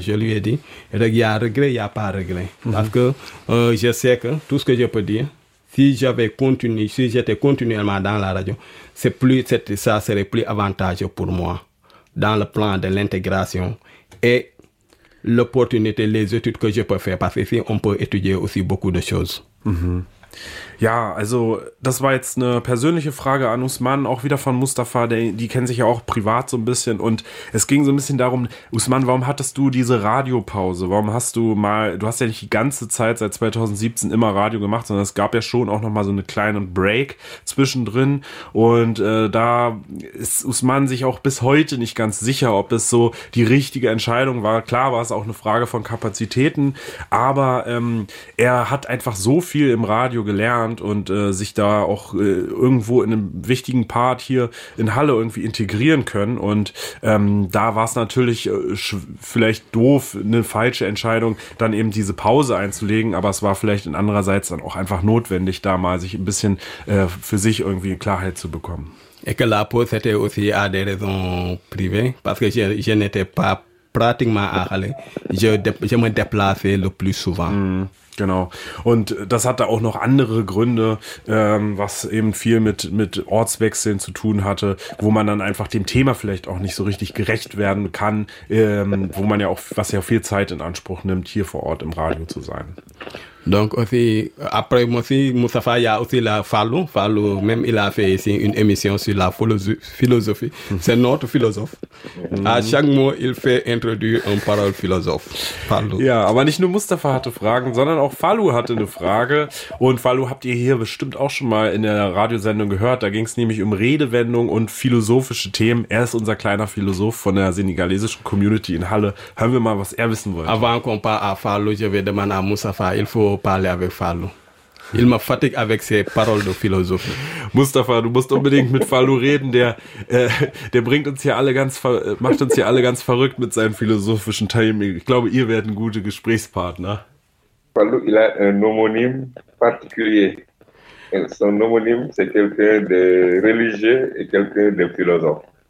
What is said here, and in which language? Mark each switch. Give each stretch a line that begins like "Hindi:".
French: Je lui ai dit, il n'y a pas de regret. Parce que, je sais que tout ce que je peux dire, si j'étais continuellement dans la radio, ça serait plus avantageux pour moi dans le plan de l'intégration et l'opportunité, les études que je peux faire. Parce que ici, on peut étudier aussi beaucoup de choses. Mm-hmm.
German: Ja, also das war jetzt eine persönliche Frage an Usman, auch wieder von Mustafa, die kennen sich ja auch privat so ein bisschen und es ging so ein bisschen darum, Usman, warum hattest du diese Radiopause? Warum hast du mal, du hast ja nicht die ganze Zeit seit 2017 immer Radio gemacht, sondern es gab ja schon auch nochmal so eine kleine Break zwischendrin und da ist Usman sich auch bis heute nicht ganz sicher, ob es so die richtige Entscheidung war. Klar war es auch eine Frage von Kapazitäten, aber er hat einfach so viel im Radio gelernt und sich da auch irgendwo in einem wichtigen Part hier in Halle irgendwie integrieren können. Und da war es natürlich vielleicht doof, eine falsche Entscheidung, dann eben diese Pause einzulegen. Aber es war vielleicht in andererseits dann auch einfach notwendig, da mal sich ein bisschen für sich irgendwie Klarheit zu bekommen.
French: Et que la pause était aussi à des raisons privées, parce que je n'étais pas pratiquement à Halle. Je me déplaçais le plus souvent.
German: Genau. Und das hat da auch noch andere Gründe, was eben viel mit Ortswechseln zu tun hatte, wo man dann einfach dem Thema vielleicht auch nicht so richtig gerecht werden kann, wo man ja auch, was ja viel Zeit in Anspruch nimmt, hier vor Ort im Radio zu sein.
French: Donc aussi, après aussi, Mustafa, il y a aussi la Fallou. Fallou, même il a fait ici une émission sur la philosophie. C'est notre philosophe. À chaque mot, il fait introduire une parole philosophe. Fallou.
German: Ja, aber nicht nur Mustafa hatte Fragen, sondern auch Fallou hatte eine Frage. Und Fallou habt ihr hier bestimmt auch schon mal in der Radiosendung gehört. Da ging es nämlich um Redewendung und philosophische Themen. Er ist unser kleiner Philosoph von der senegalesischen Community in Halle. Hören wir mal, was er wissen wollte.
French: Avant qu'on parle à Fallou, je vais demander à Mustafa, il faut parler avec Fallou. Il m'a fatigué avec ses paroles de philosophie.
German: Mustafa, du musst unbedingt mit Fallou reden, der bringt uns hier alle ganz macht uns hier alle ganz verrückt mit seinen philosophischen Themen. Ich glaube, ihr werdet gute Gesprächspartner.
French: Fallou, il a un homonyme particulier. Son homonyme, c'est quelqu'un de religieux et quelqu'un de philosophe.